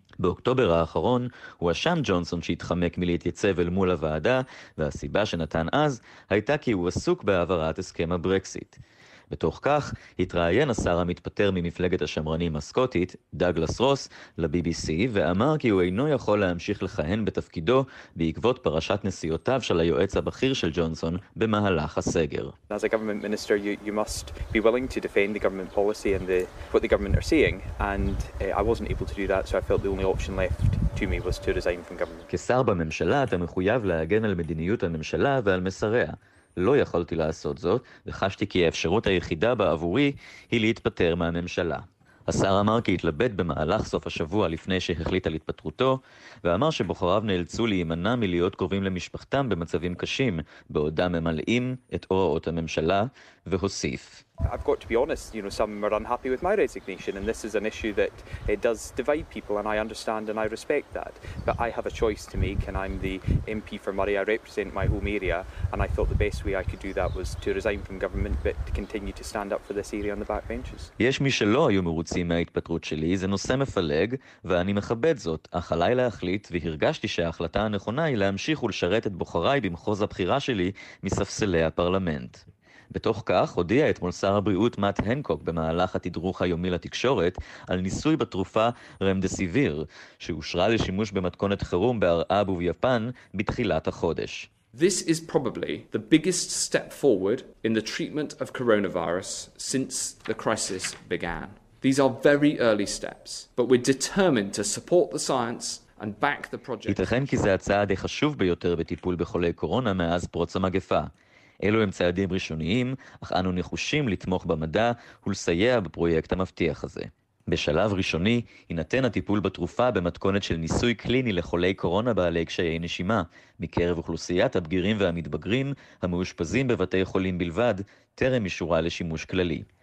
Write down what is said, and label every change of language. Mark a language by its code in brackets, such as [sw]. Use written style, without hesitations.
[he] באוקטובר האחרון הוא אשם ג'ונסון שהתחמק מלהתייצב אל מול הוועדה, והסיבה שנתן אז הייתה כי הוא עסוק בהעברת הסכם הברקסיט. בתוך כך התראיין השר המתפטר ממפלגת השמרנים הסקוטית, דאגלס רוס, לבי-בי-סי, ואמר כי הוא אינו יכול להמשיך לכהן בתפקידו בעקבות פרשת נסיעותיו של היועץ הבכיר של ג'ונסון במהלך הסגר. [en] As a government minister, you must be willing to defend the government policy and what the government are saying, and I wasn't able to do that, so I felt the only option left to me was to resign from government. [he] כשר בממשלה אתה מחויב להגן על מדיניות הממשלה ועל מסריה. לא יכולתי לעשות זאת, וחשתי כי האפשרות היחידה בעבורי היא להתפטר מהממשלה. השר אמר כי התלבט במהלך סוף השבוע לפני שהחליט על התפטרותו, ואמר שבוחריו נאלצו להימנע מלהיות קרובים למשפחתם במצבים קשים, בעודם ממלאים את הוראות הממשלה, והוסיף. [en] I've got to be honest, you know, some are unhappy with my resignation, and this is an issue that does divide people, and I understand and I respect that. But I have a choice to make, and I'm the MP for Moray. I represent my home area, and I thought the best way I could do that was to resign from government, but to continue to stand up for this area on the back benches. [he] יש מי שלא היו מרוצים מההתפטרות שלי, זה נושא מפלג, ואני מכבד זאת, אך עליי להחליט, והרגשתי שההחלטה הנכונה היא להמשיך ולשרת את בוחריי במחוז הבחירה שלי מספסלי הפרלמנט. בתוך כך הודיע אתמול שר הבריאות מאט הנקוק במהלך התדרוך היומי לתקשורת על ניסוי בתרופה רמדסיביר שאושרה לשימוש במתכונת חירום בהרעב וביפן בתחילת החודש. [en] This is probably the biggest step forward in the treatment of coronavirus since the crisis began. These are very early steps, but we're determined to support the science and back the project. [he] ייתכן כי זה הצעד החשוב ביותר בטיפול בחולי קורונה מאז פרוץ המגפה. אלו הם צעדים ראשוניים, אך אנו נחושים לתמוך במדע ולסייע בפרויקט המבטיח הזה. בשלב ראשוני, יינתן הטיפול בתרופה במתכונת של ניסוי קליני לחולי קורונה בעלי קשיי נשימה, מקרב אוכלוסיית הבגירים והמתבגרים המאושפזים בבתי חולים בלבד, טרם אישורה לשימוש כללי.